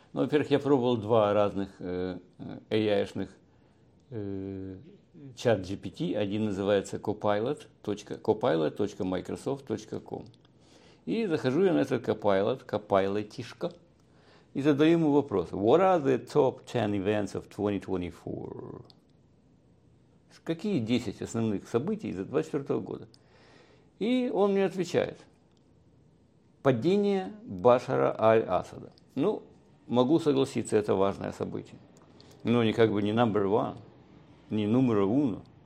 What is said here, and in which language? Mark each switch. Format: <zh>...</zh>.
<ru>Ну, во-первых, я пробовал два разных AI-шных чат GPT. Один называется copilot.microsoft.com. И захожу я на этот копайлотишко, и задаю ему вопрос.</ru> <en>What are the top 10 events of 2024?</en> <ru>Какие 10 основных событий за 2024 года? И он мне отвечает. Падение Башара аль-Асада. Ну, могу согласиться, это важное событие. Но не как бы не</ru> <en>number one,</en> <ru>не</ru> <it>numero uno.</it>